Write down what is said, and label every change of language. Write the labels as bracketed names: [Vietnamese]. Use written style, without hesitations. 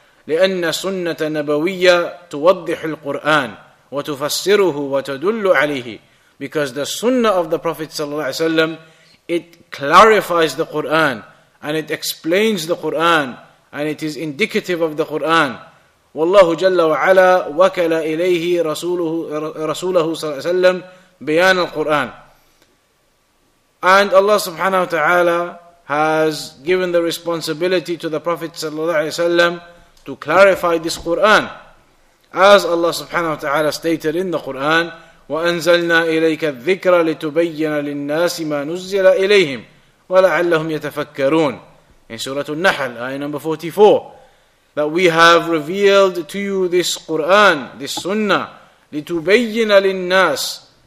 [Arabic] لِأَنَّ سُنَّةَ نَبَوِيَّةَ تُوَضِّحُ الْقُرْآنِ وَتُفَسِّرُهُ وَتَدُلُّ عَلَيْهِ. [English] Because the sunnah of the Prophet ﷺ, it clarifies the Qur'an, and it explains the Qur'an, and it is indicative of the Qur'an. [Arabic] والله جل وعلا وكل إليه رسوله صلى الله عليه وسلم بيان القرآن. [English] And Allah subhanahu wa ta'ala has given the responsibility to the Prophet صلى الله عليه وسلم to clarify this Qur'an. As Allah subhanahu wa ta'ala stated in the Qur'an, [Arabic] وَأَنْزَلْنَا إِلَيْكَ الذِّكْرَ لِتُبَيِّنَ لِلنَّاسِ مَا نُزِّلَ إِلَيْهِمْ وَلَعَلَّهُمْ يَتَفَكَّرُونَ. [English] In Surah Al-Nahl, ayah number 44, that we have revealed to you this Qur'an, this Sunnah, [Arabic] لِتُبَيِّنَ لِلنَّاسِ.